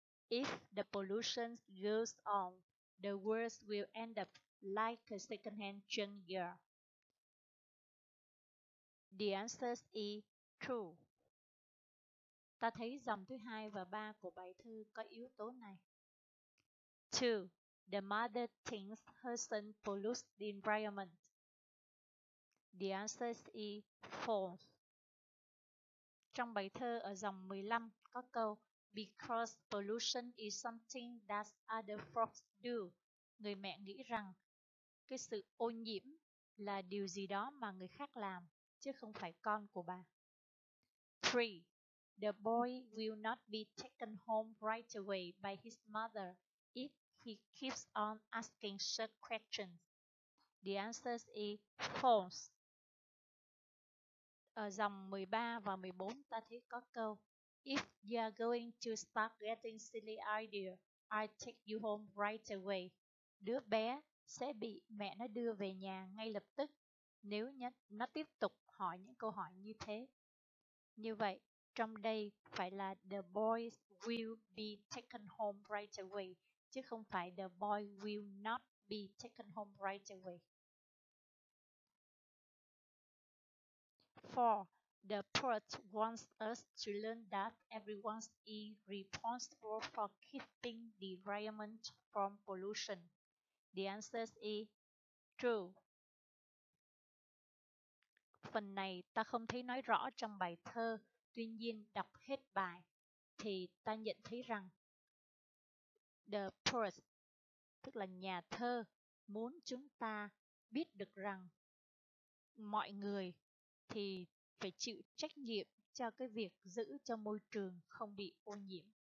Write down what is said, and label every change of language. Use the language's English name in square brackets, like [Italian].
[English] If the pollution goes on, the world will end up like a second-hand junkyard. The answer is true. [Vietnamese] Ta thấy dòng thứ 2 và 3 của bài thơ có yếu tố này. [English] 2. The mother thinks her son pollutes the environment. The answer is false. [Vietnamese] Trong bài thơ ở dòng 15 có câu [English] because pollution is something that other frogs do. [Vietnamese] Người mẹ nghĩ rằng cái sự ô nhiễm là điều gì đó mà người khác làm, chứ không phải con của bà. [English] 3. The boy will not be taken home right away by his mother if he keeps on asking such questions. The answer is false. [Vietnamese] Ở dòng 13 và 14 ta thấy có câu [English] if you are going to start getting silly ideas, I take you home right away. [Vietnamese] Đứa bé sẽ bị mẹ nó đưa về nhà ngay lập tức nếu nó tiếp tục hỏi những câu hỏi như thế. Như vậy, trong đây phải là [English] the boy will be taken home right away, [Vietnamese] chứ không phải [English] the boy will not be taken home right away. 4. The poet wants us to learn that everyone is responsible for keeping the environment from pollution. The answer is true. [Vietnamese] Phần này ta không thấy nói rõ trong bài thơ, tuy nhiên đọc hết bài thì ta nhận thấy rằng [English] the poet, [Vietnamese] tức là nhà thơ, muốn chúng ta biết được rằng mọi người thì phải chịu trách nhiệm cho cái việc giữ cho môi trường không bị ô nhiễm.